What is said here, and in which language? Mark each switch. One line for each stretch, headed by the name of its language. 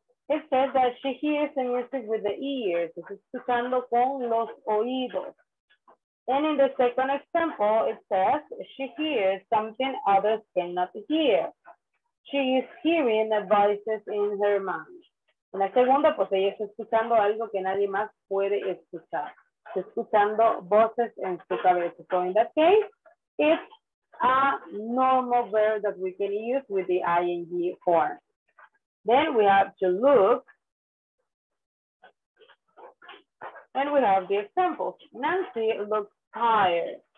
English: It says that she hears the music with the ears.
Spanish: Escuchando con los oídos.
English: And in the second example, it says she hears something others cannot hear. She is hearing the voices in her mind.
Spanish: En la segunda, pues ella está escuchando algo que nadie más puede escuchar. Está escuchando voces en su cabeza.
English: So in that case, it's a normal verb that we can use with the ing form. Then we have to look. And we have the example. Nancy looks tired.